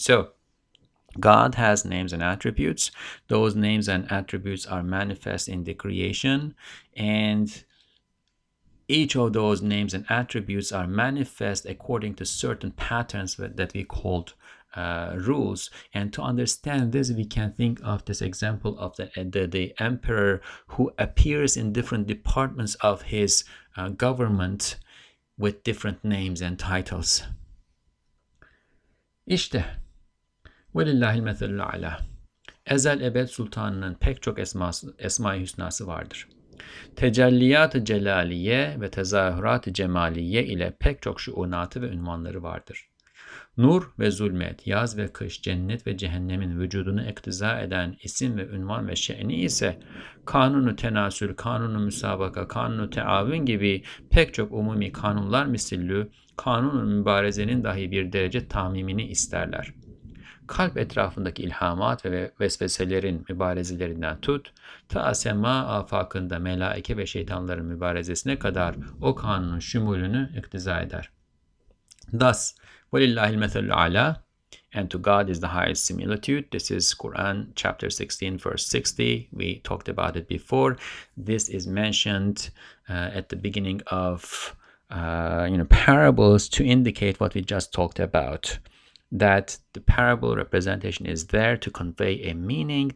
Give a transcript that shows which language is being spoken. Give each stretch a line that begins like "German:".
English: So God has names and attributes. Those names and attributes are manifest in the creation, and each of those names and attributes are manifest according to certain patterns that we called rules. And to understand this, we can think of this example of the emperor who appears in different departments of his government with different names and titles.
Arabic: İşte وَلِلَّهِ الْمَثَلُ الْعَلَى.
Turkish: Ezel ebed sultanının pek çok esma-i hüsnası vardır. Tecelliyat-ı celaliye ve tezahürat-ı cemaliye ile pek çok şuunatı ve ünvanları vardır. Nur ve zulmet, yaz ve kış, cennet ve cehennemin vücudunu iktiza eden isim ve ünvan ve şe'ni ise kanunu tenasül, kanunu müsabaka, kanunu teavün gibi pek çok umumi kanunlar misillü, kanunu mübarezenin dahi bir derece tamimini isterler. Kalp etrafındaki ilhamat ve vesveselerin mübarezelerinden tut, ta sema afakında melaike ve şeytanların mübarezesine kadar o kanunun şümulünü iktiza eder.
Arabic: Thus, وَلِلَّهِ الْمَثَلُ الْعَلَى.
English: And to God is the highest similitude. This is Quran chapter 16, verse 60. We talked about it before. This is mentioned at the beginning of parables to indicate what we just talked about, that the parable representation is there to convey a meaning.